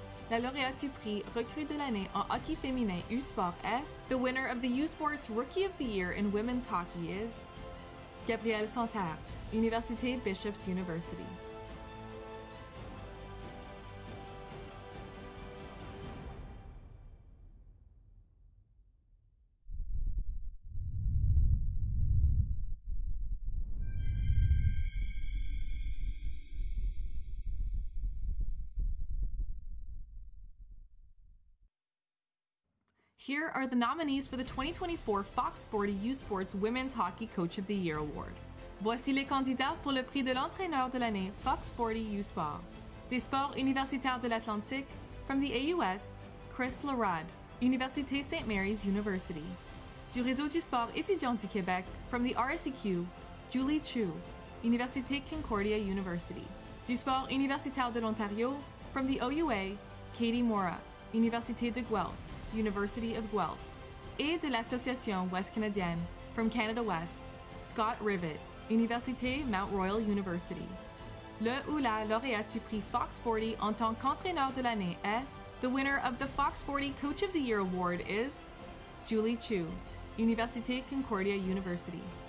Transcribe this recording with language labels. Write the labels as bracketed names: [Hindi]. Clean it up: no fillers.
[French] La lauréate du prix Recrue de l'année en hockey féminin U-Sport est... [English] The winner of the U-Sports Rookie of the Year in women's hockey is... [French] Gabrielle Santerre, Université Bishop's University. [English] Here are the nominees for the 2024 Fox Sports U Sports Women's Hockey Coach of the Year Award. [French] Voici les candidats pour le prix de l'entraîneur de l'année Fox Sports U Sport. Des Sports Universitaires de l'Atlantique, [English] from the AUS, [French] Chris Larade, Université St. Mary's University. Du Réseau du Sport étudiant du Québec, [English] from the RSEQ, [French] Julie Chu, Université Concordia University. Du Sport Universitaire de l'Ontario, [English] from the OUA, [French] Katie Mora, Université de Guelph, University of Guelph, et de l'Association West Canadienne, [English] from Canada West, [French] Scott Rivett, Université Mount Royal University. Le ou la lauréate du prix Fox Sporty en tant qu'entraîneur de l'année est... [English] The winner of the Fox Sporty Coach of the Year Award is... [French] Julie Chu, Université Concordia University.